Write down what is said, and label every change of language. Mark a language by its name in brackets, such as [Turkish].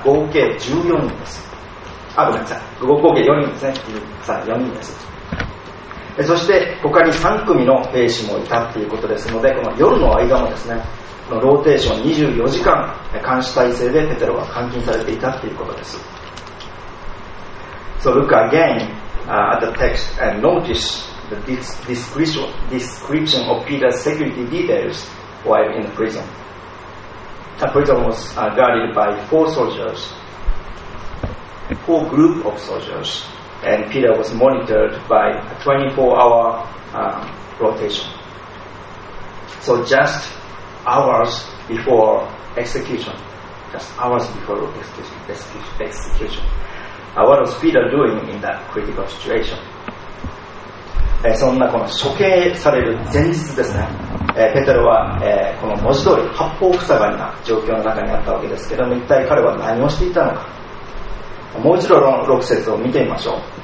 [Japanese] 合計14人です。あ、ごめんなさい、合計4人ですね。さあ4人です。そして他に3組の兵士もいたということですので、この夜の間もですね、このローテーション24時間監視体制でペテロは監禁されていたということです。 [English] So look again at the text and notice the description of Peter's security details while in prison. The prison was guarded by four soldiers, four group of soldiers. And Peter was monitored by a 24-hour rotation. So just hours before execution, what was Peter doing in that critical situation? [Japanese] そんなこの処刑される前日ですね、ペテロは、この文字通り八方塞がりな状況の中にあったわけですけども、一体彼は何をしていたのか。もう一度6節を見てみましょう。